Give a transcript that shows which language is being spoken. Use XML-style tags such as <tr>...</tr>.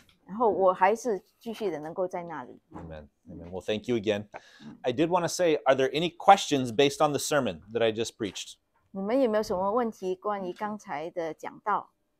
<zh>然后我还是继续的能够在那里。</zh> <en>Amen. Amen. Well, thank you again. I did want to say, are there any questions based on the sermon that I just preached?</en> <zh>你们有没有什么问题关于刚才的讲道？</zh>